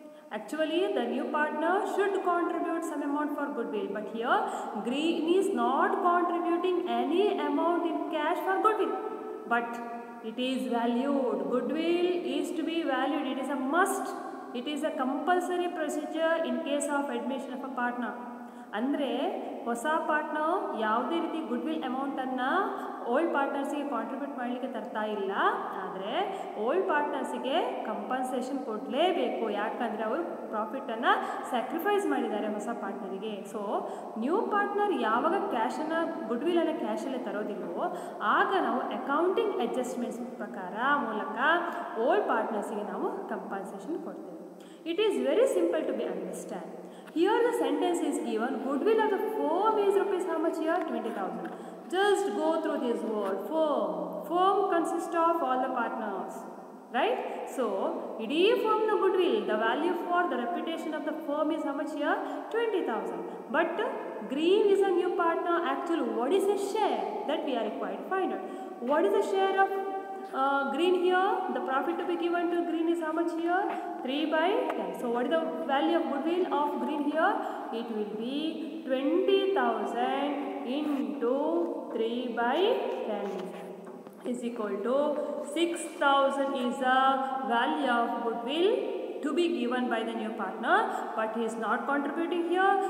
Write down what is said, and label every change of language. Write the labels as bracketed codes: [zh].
[en] Actually, the new partner should contribute some amount for goodwill, but here green is not contributing any amount in cash for goodwill, but it is valued. Goodwill is to be valued. It is a must. It is a compulsory procedure in case of admission of a partner. [kn] Andre, hosa partner yavde riti goodwill amount anna old ಪಾರ್ಟ್ನರ್ಸಿಗೆ contribute ಮಾಡಲಿಕ್ಕೆ ತರ್ತಾ ಇಲ್ಲ, ಆದರೆ old ಪಾರ್ಟ್ನರ್ಸಿಗೆ compensation ಕೊಡಲೇಬೇಕು, ಯಾಕಂದರೆ ಅವರು ಪ್ರಾಫಿಟನ್ನು sacrifice ಮಾಡಿದ್ದಾರೆ ಹೊಸ ಪಾರ್ಟ್ನರಿಗೆ. So new partner ಯಾವಾಗ ಕ್ಯಾಶನ್ನು ಗುಡ್ ವಿಲನ್ನು ಕ್ಯಾಶಲ್ಲೇ ತರೋದಿಲ್ಲವೋ ಆಗ ನಾವು ಅಕೌಂಟಿಂಗ್ ಅಡ್ಜಸ್ಟ್ಮೆಂಟ್ಸ್ ಪ್ರಕಾರ ಮೂಲಕ ಓಲ್ಡ್ ಪಾರ್ಟ್ನರ್ಸಿಗೆ ನಾವು ಕಂಪನ್ಸೇಷನ್ ಕೊಡ್ತೇವೆ. [en] It is very simple to be understand. Here the sentence is given, good will of the firm is rupees how much here 20,000. Just go through this word firm. Firm consist of all the partners, right? So ಇಡೀ ಫೋಮ್ನ good will, the value for the reputation of the firm is how much here 20,000. But green is a new partner, actual what is a share that we are required find out. What is the share of green here? The profit to be given to green is how much here? 3/10. So what is the value of goodwill of green here? It will be 20,000 into 3/10 is equal to 6,000 is the value of goodwill to be given by the new partner, but he is not contributing here.